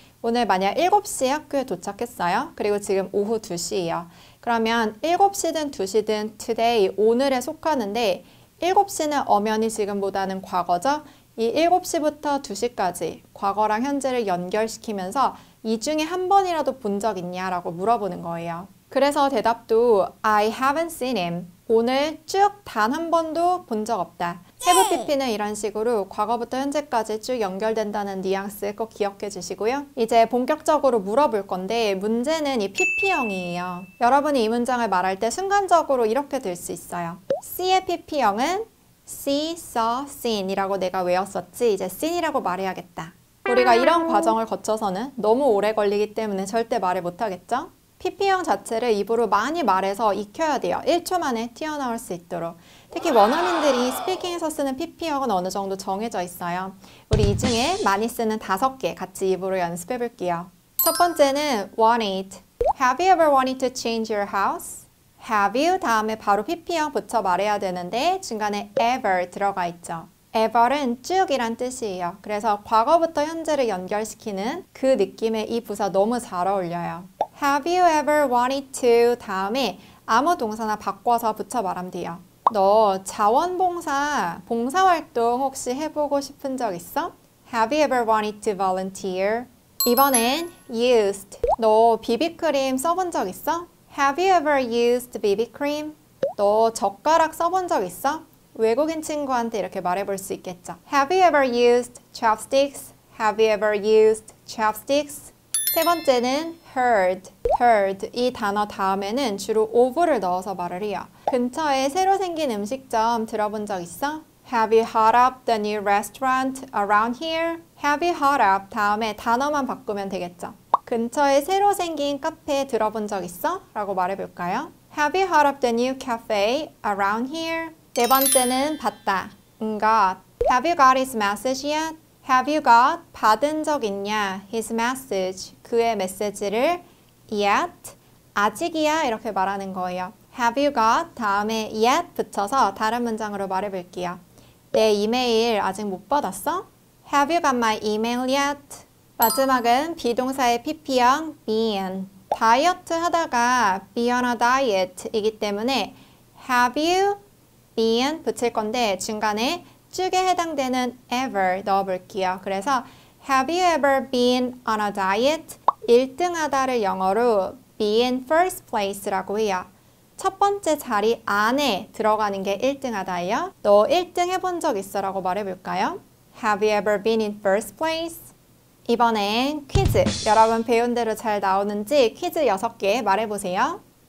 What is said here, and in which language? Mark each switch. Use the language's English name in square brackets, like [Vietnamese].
[Korean] 오늘 만약 7시 학교에 도착했어요. 그리고 지금 오후 2시예요. 그러면 7시든 2시든 today, 오늘에 속하는데 7시는 엄연히 지금보다는 과거죠. 이 7시부터 2시까지 과거랑 현재를 연결시키면서 이 중에 한 번이라도 본 적 있냐? 라고 물어보는 거예요. 그래서 대답도 [English] I haven't seen him. [Korean] 오늘 쭉 단 한 번도 본 적 없다. 해부 PP는 이런 식으로 과거부터 현재까지 쭉 연결된다는 뉘앙스 꼭 기억해 주시고요. 이제 본격적으로 물어볼 건데 문제는 이 PP형이에요. 여러분이 이 문장을 말할 때 순간적으로 이렇게 될 수 있어요. See의 PP형은 [English] see, saw, seen [Korean] 이라고 내가 외웠었지 이제 seen 이라고 말해야겠다. 우리가 이런 과정을 거쳐서는 너무 오래 걸리기 때문에 절대 말을 못하겠죠? PP형 자체를 입으로 많이 말해서 익혀야 돼요. 1초 만에 튀어나올 수 있도록. 특히 원어민들이 스피킹에서 쓰는 PP형은 어느 정도 정해져 있어요. 우리 이 중에 많이 쓰는 다섯 개 같이 입으로 연습해 볼게요. 첫 번째는 want. [English] Have you ever wanted to change your house? Have you [Korean] 다음에 바로 PP형 붙여 말해야 되는데 중간에 ever 들어가 있죠. ever은 쭉이란 뜻이에요. 그래서 과거부터 현재를 연결시키는 그 느낌의 이 부사 너무 잘 어울려요. [English] Have you ever wanted to [Korean] 다음에 아무 동사나 바꿔서 붙여 말하면 돼요. 너 자원봉사, 봉사활동 혹시 해보고 싶은 적 있어? [English] Have you ever wanted to volunteer? [Korean] 이번엔 used. 너 비비크림 써본 적 있어? [English] Have you ever used BB cream? [Korean] 너 젓가락 써본 적 있어? 외국인 친구한테 이렇게 말해볼 수 있겠죠. [English] Have you ever used chopsticks? Have you ever used chopsticks? [Korean] 세 번째는 heard. Heard 이 단어 다음에는 주로 of를 넣어서 말을 해요. 근처에 새로 생긴 음식점 들어본 적 있어? [English] Have you heard of the new restaurant around here? Have you heard of [Korean] 다음에 단어만 바꾸면 되겠죠. 근처에 새로 생긴 카페 들어본 적 있어? 라고 말해볼까요? [English] Have you heard of the new cafe around here? [Korean] 네 번째는 봤다. Got. [English] Have you got his message yet? Have you got [Korean] 받은 적 있냐? [English] His message. [Korean] 그의 메시지를 [English] yet. [Korean] 아직이야 이렇게 말하는 거예요. [English] Have you got [Korean] 다음에 yet 붙여서 다른 문장으로 말해볼게요. 내 이메일 아직 못 받았어? [English] Have you got my email yet? [Korean] 마지막은 비동사의 PP형 been. 다이어트 하다가 [English] be on a diet [Korean] 이기 때문에 [English] have you been [Korean] 붙일 건데 중간에 쭉에 해당되는 ever 넣어볼게요. 그래서 [English] have you ever been on a diet? [Korean] 1등 하다를 영어로 [English] be in first place [Korean] 라고 해요. 첫 번째 자리 안에 들어가는 게 1등 하다예요. 너 1등 해본 적 있어? 라고 말해볼까요? [English] Have you ever been in first place? [Korean] 이번엔 퀴즈! 여러분 배운 대로 잘 나오는지 퀴즈 6개 말해보세요.